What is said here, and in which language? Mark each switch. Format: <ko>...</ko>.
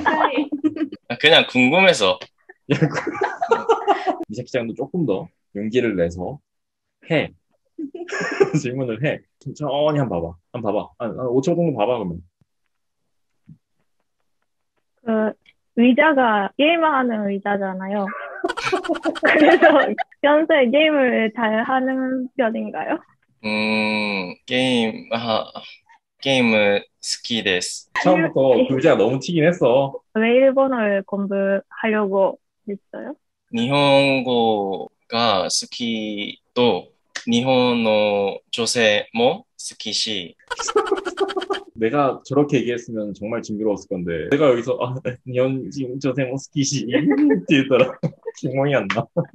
<ja>ね。</ja> <ko>あ、그냥궁금해서。</ko> <ja>みさきちゃんと</ja> <ko>조금더용기를내서해 질문을해천천히한번봐봐한번봐봐한5초정도봐봐그러면 그의자가게임하는의자잖아요 그래서현재게임을잘하는편인가요 게임하게임을</ko> <ja>好きです</ja> <ko>처음부터의자가너무튀긴했어 왜일본어를공부하려고했어요</ko> <ja>日本語が好きと、日本の女性も好きし。</ja> <ko>내가저렇게얘기했으면정말징그러웠을건데。 내가여기서、</ko> <ja>あ、日本人女性も好きし。って言ったら、疑問やんな。</ja>